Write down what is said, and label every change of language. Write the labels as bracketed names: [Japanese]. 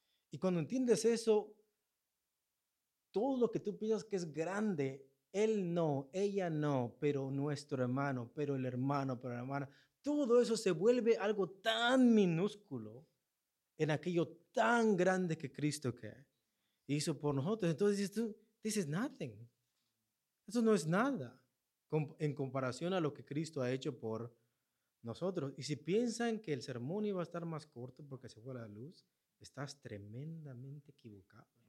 [Spanish] Y cuando entiendes eso, todo lo que tú piensas que es grande, él no, ella no, pero nuestro hermano, pero el hermano, pero la hermana, todo eso se vuelve algo tan minúsculo en aquello tan grande que Cristo que hizo por nosotros. Entonces dices tú, [English] this is nothing. [Spanish] Eso no es nada en comparación a lo que Cristo ha hecho por nosotros. Y si piensan que el sermón iba a estar más corto porque se fue la luz, estás tremendamente equivocado.